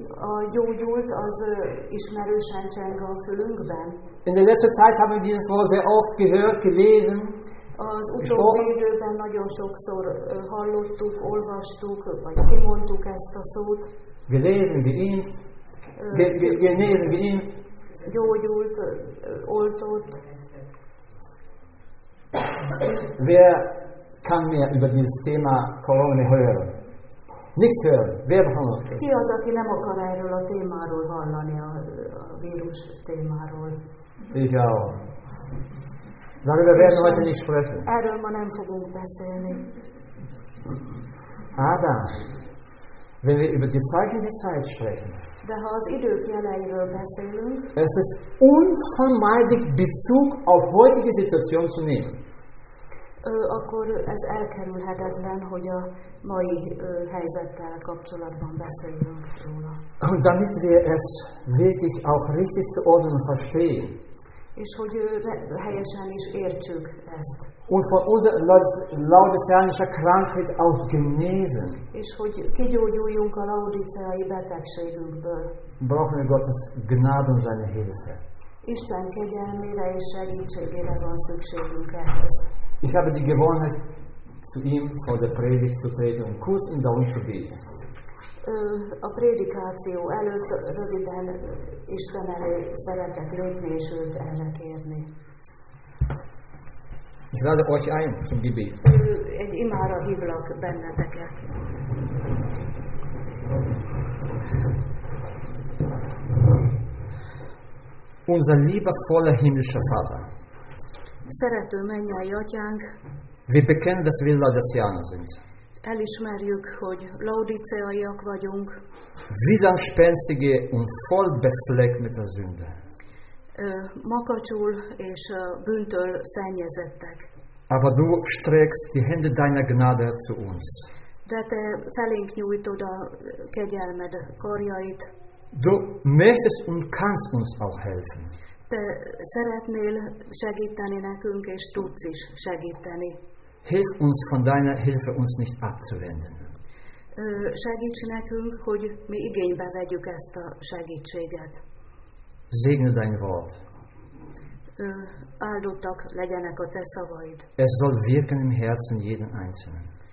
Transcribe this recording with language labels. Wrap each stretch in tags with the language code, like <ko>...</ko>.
<hu>A gyógyult az ismerősen cseng a fülünkben.</hu> <de>In der letzten Zeit haben wir dieses Wort sehr oft gehört, gelesen.</de> <hu>Az utóbbi időben nagyon sokszor hallottuk, olvastuk, vagy kimondtuk ezt a szót.</hu> <de>Genesen, geimpft.</de> <hu>Gyógyult, oltott.</hu> <de>Wer kann mehr über dieses Thema Corona hören? Nicht hören. Wer behandelt?</de> <hu>Ki az, aki nem akar erről a témáról hallani, a vírus témáról?</hu> <de>Ich auch. Darüber werden wir heute nicht sprechen.</de> <hu>Erről ma nem fogunk beszélni.</hu> <de>Aber wenn wir über die Zeichen der Zeit sprechen,</de> <hu>de ha az idők jeleiről beszélünk,</hu> <de>es ist unvermeidlich, Bezug auf heutige Situation zu nehmen.</de> <hu>Akkor ez elkerülhetetlen, hogy a mai helyzettel kapcsolatban beszéljünk róla.</hu> <de>Und damit wir es wirklich auch richtig zu ordnen und verstehen.</de> <hu>És hogy helyesen is értsük ezt.</hu> <de>Und von unserer laodiceanischen Krankheit auch genesen.</de> <hu>És hogy kigyógyuljunk a laodiceai betegségünkből.</hu> <de>Brauchen wir Gottes Gnade und seine Hilfe.</de> <hu>Isten kegyelmére és segítségére van szükségünk ehhez.</hu> <de>Ich habe die Gewohnheit, zu ihm vor der Predigt zu treten und kurz ihn darum zu beten.</de> <hu>A prédikáció előtt röviden Isten elé szeretek lépni és őt erre kérni.</hu> <de>Ich lade euch ein zum Gebet.</de> <hu>Egy imára hívlak benneteket.</hu> <de>Unser liebevoller himmlischer Vater.</de> <hu>Szerető mennyei atyánk.</hu> <de>Wir bekennen, dass wir Laodiceaner sind.</de> <hu>Elismerjük, hogy laodiceaiak vagyunk.</hu> <de>Widerspenstige und voll befleckt mit der Sünde.</de> <hu>Makacsul és bűntől szennyezettek.</hu> <de>Aber du streckst die Hände deiner Gnade zu uns.</de> <hu>De te felénk nyújtod a kegyelmed karjait.</hu> <de>Du möchtest und kannst uns auch helfen.</de> <hu>Te szeretnél segíteni nekünk, és tudsz is segíteni.</hu> <de>Hilf uns von deiner Hilfe uns nicht abzuwenden.</de> <hu>Segíts nekünk, hogy mi igénybe vegyük ezt a segítséget.</hu> <de>Segne dein Wort.</de> <hu>Áldottak legyenek a te szavaid.</hu> <de>Es soll wirken im Herzen jeden Einzelnen.</de>